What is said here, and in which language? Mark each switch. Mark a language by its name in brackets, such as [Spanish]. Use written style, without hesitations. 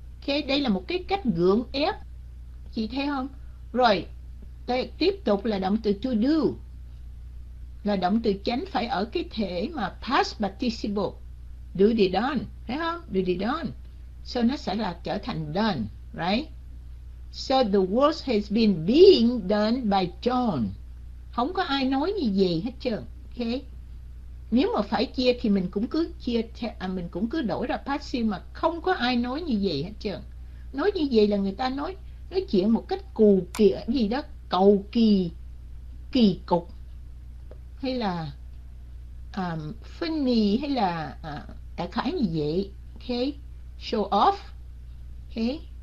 [Vietnamese] Okay, đây là một cái cách gượng ép. Chị thấy không? Rồi, tiếp tục là động từ to do. Là động từ chánh phải ở cái thể mà past participle. [English] Do the done, [Vietnamese] phải không? [English] Do the done. So [Vietnamese] nó sẽ là trở thành [English] done, right? So the work has been being done by John. [Vietnamese] Không có ai nói như vậy hết trơn. Okay. Nếu mà phải chia thì mình cũng cứ chia theo, mình cũng cứ đổi ra passive mà không có ai nói như vậy hết trơn. Nói như vậy là người ta nói chuyện một cách cù kỳ gì đó, cầu kỳ, kỳ cục, hay là funny, hay là đại khái như vậy. Okay. Show off. Okay.